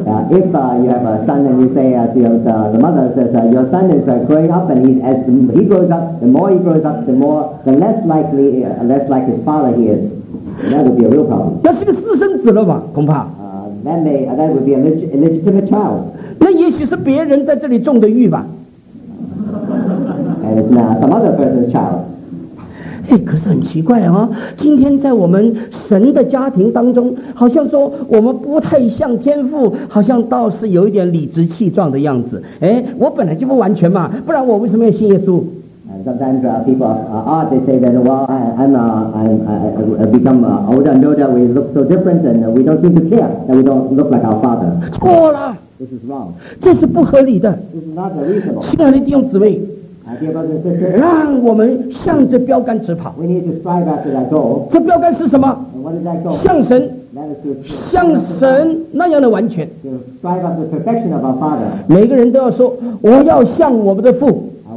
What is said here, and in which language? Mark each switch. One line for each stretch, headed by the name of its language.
English: If you have a son and you say the mother says your son is growing up and he grows up, the more he grows up, the less like his father he is. That would be a real problem.
Chinese: 那是个私生子了吧？恐怕。
English: That would be an illegitimate child.
Chinese: 那也许是别人在这里种的玉吧。
English: And it's not some other person's child.
Chinese: 哎，可是很奇怪啊！今天在我们神的家庭当中，好像说我们不太像天父，好像倒是有一点理直气壮的样子。哎，我本来就不完全嘛，不然我为什么要信耶稣？
English: Sometimes people are odd. They say that, well, I become older and older. We look so different, and we don't seem to care that we don't look like our father.
Chinese: 错了。
English: This is wrong.
Chinese: 这是不合理的。
English: This is not reasonable.
Chinese: 亲爱的弟兄姊妹，让我们向着标杆直跑。
English: We need to strive after that goal.
Chinese: 这标杆是什么？
English: What is that goal?
Chinese: 向神。像神那样的完全。
English: Strive after the perfection of our father.
Chinese: 每个人都要说，我要像我们的父。